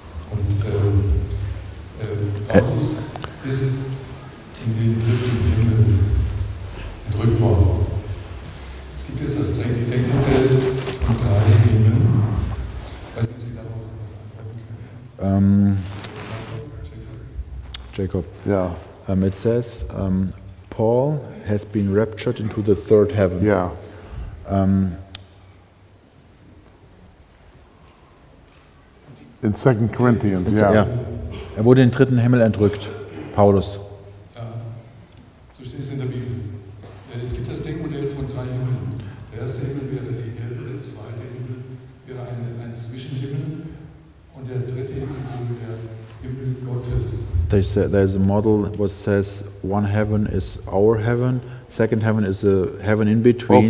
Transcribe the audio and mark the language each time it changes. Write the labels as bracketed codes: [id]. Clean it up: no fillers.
[de] Und Paulus ist in den dritten Himmel entrückt worden. Sieht es das Denkfeld und drei Himmel? Weiß nicht, ob ihr darauf was sagen könnt. Jacob. [en] Yeah. It says Paul has been raptured into the third heaven. Yeah. In 2 Corinthians, yeah. [de] Ja. Er wurde in den dritten Himmel entrückt, Paulus. So steht es in der Bibel. Es gibt das Denkmodell von drei Himmeln. Der erste Himmel wäre die Erde, der zweite Himmel wäre ein Zwischenhimmel und der dritte Himmel wäre der Himmel Gottes. [en] They say there's a model which says one heaven is our heaven, second heaven is a heaven in between,